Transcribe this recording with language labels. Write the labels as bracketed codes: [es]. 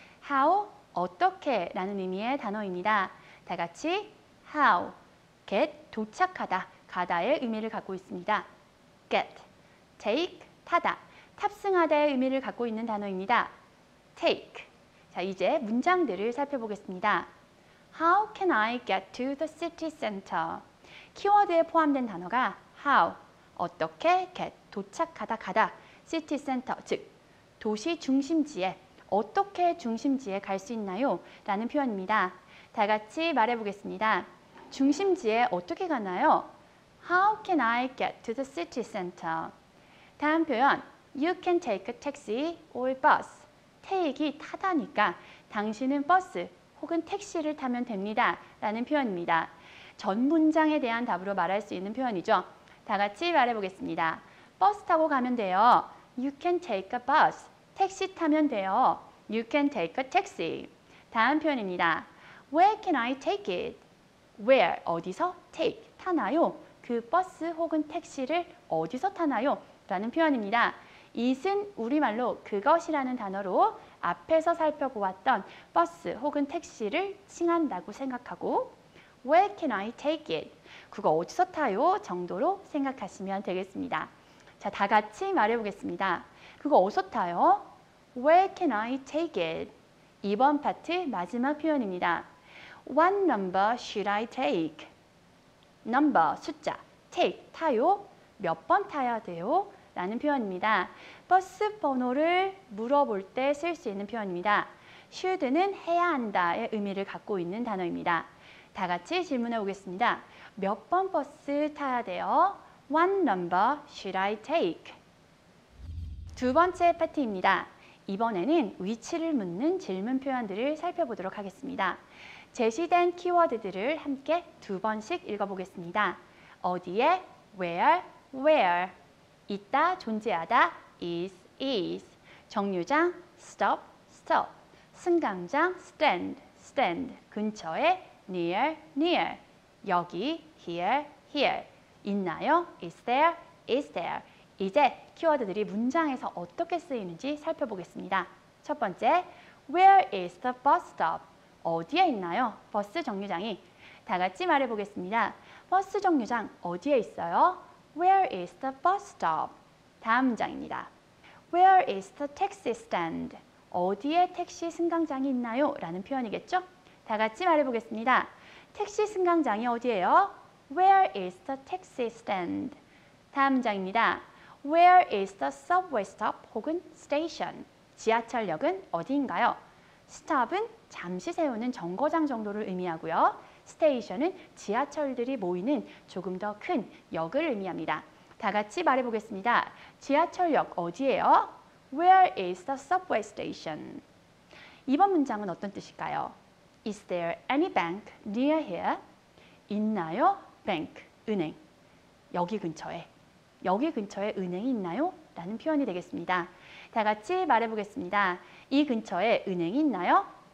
[ko] How, 어떻게 라는 의미의 단어입니다. 다 같이 How, get, 도착하다, 가다의 의미를 갖고 있습니다. get, take, 타다, 탑승하다의 의미를 갖고 있는 단어입니다. [en] take. [ko] 자, 이제 문장들을 살펴보겠습니다. [en] How can I get to the city center? [ko] 키워드에 포함된 단어가 how, 어떻게, get, 도착하다, 가다, city center, 즉 도시 중심지에, 어떻게 중심지에 갈 수 있나요? 라는 표현입니다. 다 같이 말해보겠습니다. 중심지에 어떻게 가나요? [en] How can I get to the city center? [ko] 다음 표현, [en] You can take a taxi or bus. [ko] Take이 타다니까 당신은 버스 혹은 택시를 타면 됩니다. 라는 표현입니다. 전 문장에 대한 답으로 말할 수 있는 표현이죠. 다 같이 말해보겠습니다. 버스 타고 가면 돼요. [en] You can take a bus. [ko] 택시 타면 돼요. [en] You can take a taxi. [ko] 다음 표현입니다. [en] Where can I take it? [ko] Where, 어디서 take, 타나요? 그 버스 혹은 택시를 어디서 타나요? 라는 표현입니다. It은 우리말로 그것이라는 단어로 앞에서 살펴보았던 버스 혹은 택시를 칭한다고 생각하고 [en] Where can I take it? [ko] 그거 어디서 타요? 정도로 생각하시면 되겠습니다. 자, 다 같이 말해보겠습니다. 그거 어디서 타요? [en] Where can I take it? [ko] 이번 파트 마지막 표현입니다. [en] What number should I take? [ko] Number, 숫자, take, 타요? 몇 번 타야 돼요? 라는 표현입니다. 버스 번호를 물어볼 때 쓸 수 있는 표현입니다. Should는 해야 한다의 의미를 갖고 있는 단어입니다. 다 같이 질문해 보겠습니다. 몇 번 버스 타야 돼요? [en] What number should I take? [ko] 두 번째 파트입니다. 이번에는 위치를 묻는 질문 표현들을 살펴보도록 하겠습니다. 제시된 키워드들을 함께 두 번씩 읽어보겠습니다. 어디에? [en] Where? Where? [ko] 있다, 존재하다, is, is. [en] 정류장, stop, stop. 승강장, stand, stand. 근처에, near, near. 여기, here, here. 있나요? Is there? Is there? [ko] 이제 키워드들이 문장에서 어떻게 쓰이는지 살펴보겠습니다. [en] 첫 번째, where is the bus stop? [ko] 어디에 있나요? 버스 정류장이. 다 같이 말해보겠습니다. 버스 정류장 어디에 있어요? [en] Where is the bus stop? [ko] 다음 문장입니다. [en] Where is the taxi stand? [ko] 어디에 택시 승강장이 있나요? 라는 표현이겠죠? 다 같이 말해 보겠습니다. 택시 승강장이 어디예요? [en] Where is the taxi stand? [ko] 다음 문장입니다. [en] Where is the subway stop [ko] 혹은 [en] station? [ko] 지하철역은 어디인가요? Stop은 잠시 세우는 정거장 정도를 의미하고요. Station은 지하철들이 모이는 조금 더 큰 역을 의미합니다. 다 같이 말해 보겠습니다. 지하철역 어디예요? [en] Where is the subway station? [ko] 이번 문장은 어떤 뜻일까요? [en] Is there any bank near here? [ko] 있나요? Bank, 은행. 여기 근처에. 여기 근처에 은행이 있나요? 라는 표현이 되겠습니다. 다 같이 말해 보겠습니다. 이 근처에 은행이 있나요?